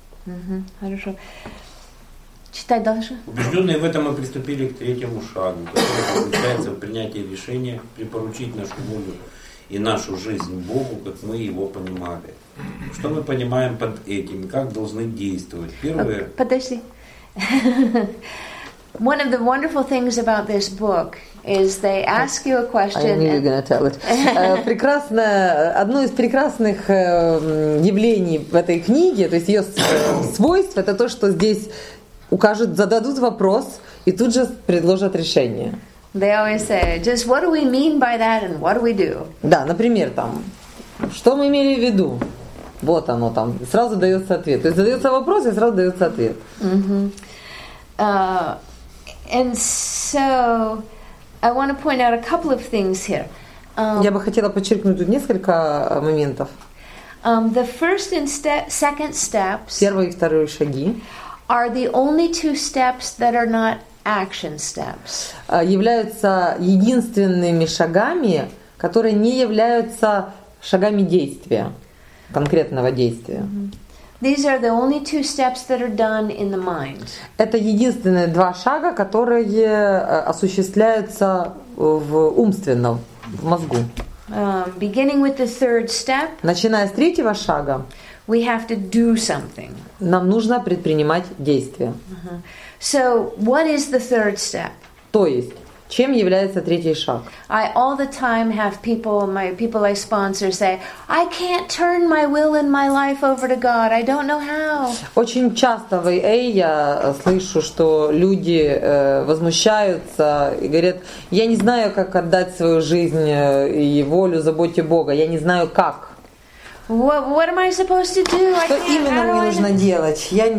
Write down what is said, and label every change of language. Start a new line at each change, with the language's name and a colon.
Russian: Угу, хорошо. Читай дальше. Убежденные в этом мы приступили к третьему шагу, который заключается в принятии решения припоручить нашу волю и нашу жизнь Богу, как мы его понимали. Что мы понимаем под этим? Как должны действовать? Первое. Подожди.
English: One of the wonderful things about this book is they ask you a question. I knew you were going to tell it.
Russian: Одно из прекрасных явлений в этой книге, то есть ее свойство, это то, что здесь укажут, зададут вопрос и тут же предложат решение.
English: They always say, just what do we mean by that and what do we do?
Russian: Да, например, там, что мы имели в виду? Вот оно там, сразу дается ответ. То есть задается вопрос и сразу дается ответ.
English: And so I want to point out a couple of things here.
Russian: Я бы хотела подчеркнуть тут несколько моментов.
English: The first and second steps.
Russian: Первый и второй шаги.
English: Are the only two steps that are not action steps.
Russian: Являются единственными шагами, которые не являются шагами действия, конкретного действия.
English: These are the only two steps that are done in the mind.
Russian: Это единственные два шага, которые осуществляются в умственном, в мозгу.
English: Beginning with the third step.
Russian: Начиная с третьего шага.
English: We have to do something.
Russian: Нам нужно предпринимать действия.
English: So, what is the third step?
Russian: То есть, чем является третий шаг?
English: I all the time have people, my people I sponsor say, I can't turn my will and my life over to God. I don't know how.
Russian: Очень часто в AA я слышу, что люди возмущаются и говорят, я не знаю, как отдать свою жизнь и волю заботе Бога. Я не знаю, как.
English: What am I supposed to do?
Russian: Что именно мне нужно делать?